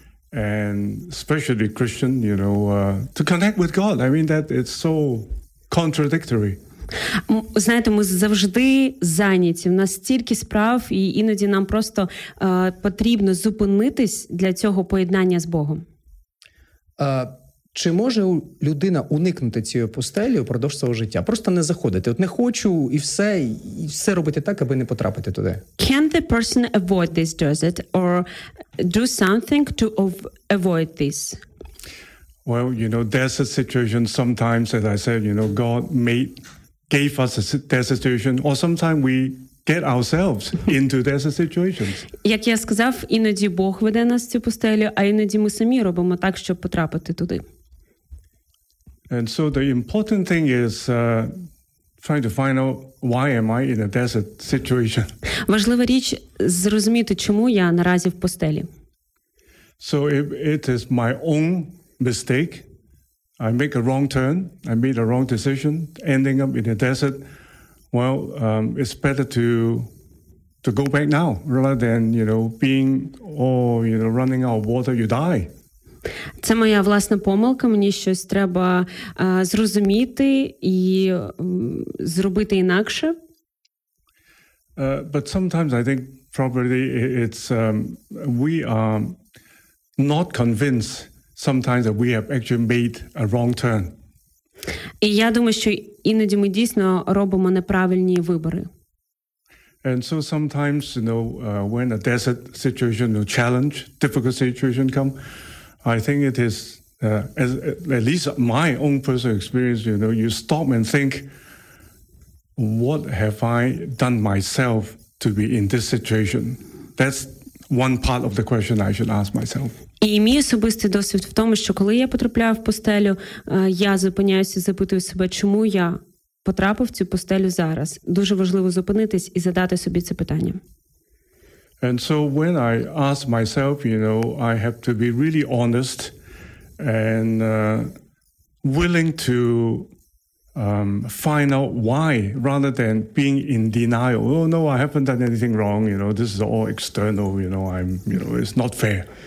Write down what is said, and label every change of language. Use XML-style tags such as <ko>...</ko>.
<en>And especially Christian, you know, to connect with God. I mean, that it's so contradictory.</en> <uk>Знаєте, ми завжди зайняті. У нас стільки справ, і іноді нам просто потрібно зупинитись для цього поєднання з Богом. Чи може людина уникнути цієї пустелі упродовж свого життя? Просто не заходити. От не хочу і все робити так, аби не потрапити туди.</uk> <en>Can the person avoid this desert or do something to avoid this? Well, you know, there's a situation sometimes, as I said, you know, God made, gave us a desert situation, or sometimes we get ourselves into desert situations.</en> <uk>Як я сказав, іноді Бог веде нас в цю пустелю, а іноді ми самі робимо так, щоб потрапити туди.</uk> <en>And so the important thing is trying to find out why am I in a desert situation.</en> <uk>Важлива річ зрозуміти, чому я наразі в пустелі.</uk> <en>So it is my own mistake. I make a wrong turn, I made a wrong decision, ending up in a desert. Well, it's better to go back now rather than, you know, being running out of water, you die.</en> <uk>Це моя власна помилка, мені щось треба зрозуміти і зробити інакше.</uk> <en>But sometimes I think probably it's we are not convinced sometimes that we have actually made a wrong turn.</en> <uk>І я думаю, що іноді ми дійсно робимо неправильні вибори.</uk> <en>And so sometimes, you know, when a desert situation, a challenge, difficult situation come, I think it is, at least my own personal experience, you know, you stop and think, what have I done myself to be in this situation? That's one part of the question I should ask myself.</en> <uk>І мій особистий досвід в тому, що коли я потрапляю в пустелю, я зупиняюся і запитую себе, чому я потрапив в цю пустелю зараз. Дуже важливо зупинитись і задати собі це питання.</uk> <en>And so when I ask myself, you know, I have to be really honest and willing to find out why, rather than being in denial. Oh no, I haven't done anything wrong, you know, this is all external, you know, it's not fair.</en>